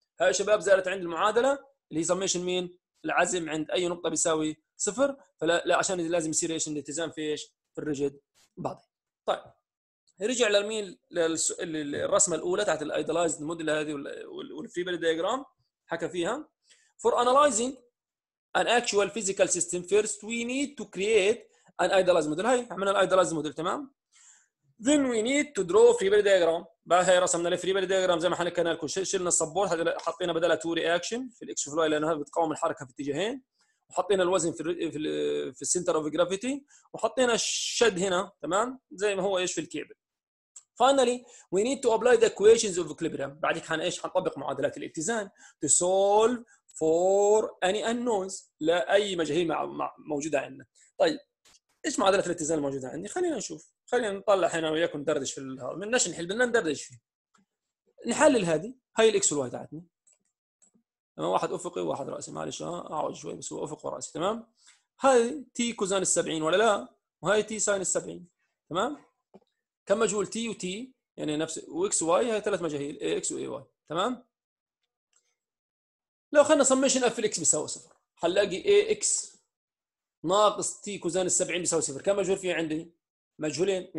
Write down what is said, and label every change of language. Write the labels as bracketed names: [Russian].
[Arabic] هاي شباب زالت عند المعادله اللي هي سميشن مين العزم عند اي نقطه بيساوي صفر، فلا عشان لازم يصير ايش الالتزام في ايش في الريجيد بودي. طيب رجع للمين للرسمه الاولى تحت الايدلايزد موديل هذه والفري بودي دايجرام حكى فيها [English] For analysing an actual physical system first we need to create an idealised model. [Arabic] هاي عملنا الايدلايزد موديل. تمام؟ [English] Then we need to draw free body diagram. [Arabic] بهاي رسمنا الفري بودي دياجرام زي ما حكينا لكم، شلنا السبورت حطينا بدلها تو رياكشن في الاكس والواي لانه هذا بتقاوم الحركه في اتجاهين، وحطينا الوزن في السنتر اوف جرافيتي، وحطينا الشد هنا. تمام؟ زي ما هو ايش في الكيبل. [English] Finally we need to apply the equations of equilibrium. [Arabic] بعد هيك ايش حنطبق معادلات الاتزان [English] to solve for any unknowns، [Arabic] لاي مجاهيل موجوده عندنا. طيب ايش معادله الاتزان الموجوده عندي؟ خلينا نشوف، خلينا نطلع هنا وياكم ندردش في الهواء، بدناش نحل بدنا ندردش فيه. نحلل هذه، هاي الاكس والواي تاعتنا. تمام؟ واحد افقي وواحد راسي، معلش اعوج شوي بس هو افق وراسي، تمام؟ هاي تي كوزان ال 70 ولا لا؟ وهاي تي ساين ال 70، تمام؟ كم مجهول تي وتي؟ يعني نفس واكس واي، هاي ثلاث مجاهيل اي اكس واي واي، تمام؟ لو خلينا سميشن اف الاكس بيساوي صفر، حنلاقي اي اكس ناقص تي كوزان ال 70 بيساوي صفر، كم مجهول في عندي؟ مجهولين.